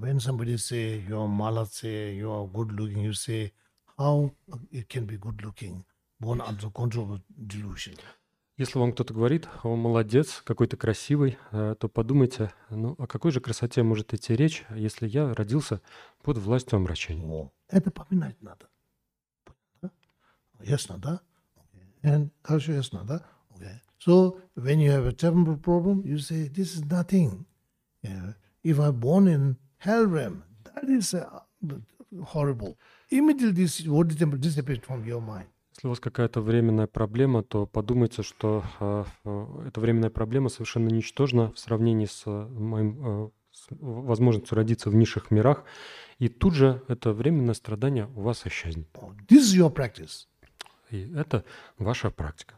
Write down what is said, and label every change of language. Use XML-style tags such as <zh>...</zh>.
<en>When somebody say you are молодцы, you are good looking, you say how it can be good looking, born under control of delusion.</en> <ru>Если вам кто-то говорит, о, молодец, какой ты красивый, то подумайте, ну, о какой же красоте может идти речь, если я родился под властью омрачения. О, это поминать надо. Ясно, да? And, хорошо, ясно, да?</ru> <en>Okay. So, when you have a temporal problem, you say, this is nothing. Yeah. If I born in hell realm, that is horrible. Immediately this water temple disappears from your mind.</en> <ru>Если у вас какая-то временная проблема, то подумайте, что эта временная проблема совершенно ничтожна в сравнении с моим с возможностью родиться в низших мирах, и тут же это временное страдание у вас исчезнет.</ru> <en>This is your practice.</en> <ru>И это ваша практика.</ru>